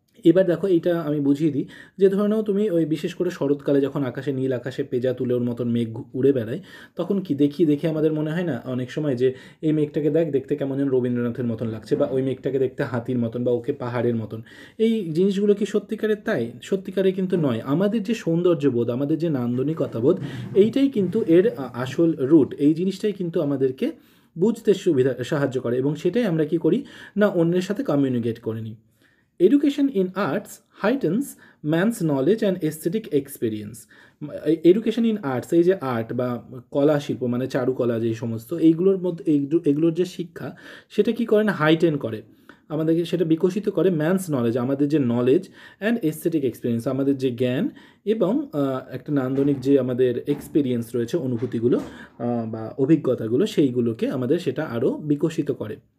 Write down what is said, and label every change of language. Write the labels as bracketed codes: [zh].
[bn] এবার দেখো এটা আমি বুঝিয়ে দিই, যে ধরে নাও তুমি ওই বিশেষ করে শরৎকালে যখন আকাশে নীল আকাশে পেঁজা তুলোর মতন মেঘ উড়ে বেড়ায়, তখন কি দেখি দেখে আমাদের মনে হয় না অনেক সময় যে এই মেঘটাকে দেখ দেখতে কেমন যেন রবীন্দ্রনাথের মতন লাগছে, বা ওই মেঘটাকে দেখতে হাতির মতন, বা ওকে পাহাড়ের মতন। এই জিনিসগুলো কি সত্যিকারের তাই? সত্যিকারে কিন্তু নয়। আমাদের যে সৌন্দর্যবোধ, আমাদের যে নান্দনিকতাবোধ, এইটাই কিন্তু এর আসল রুট। এই জিনিসটাই কিন্তু আমাদেরকে বুঝতে সুবিধা সাহায্য করে, এবং সেটাই আমরা কি করি না অন্যের সাথে কমিউনিকেট করে নিই। [en] Education in arts heightens man's knowledge and aesthetic experience. Education in arts, [bn] এই যে আর্ট বা কলা শিল্প মানে চারুকলা যেই সমস্ত, এইগুলোর মধ্যে এইগুলোর যে শিক্ষা সেটা কী করে না হাইটেন করে আমাদেরকে, সেটা বিকশিত করে ম্যানস নলেজ, আমাদের যে [en] knowledge and aesthetic experience, [bn] আমাদের যে জ্ঞান এবং একটা নান্দনিক যে আমাদের এক্সপিরিয়েন্স রয়েছে, অনুভূতিগুলো বা অভিজ্ঞতাগুলো, সেইগুলোকে আমাদের সেটা আরও বিকশিত করে।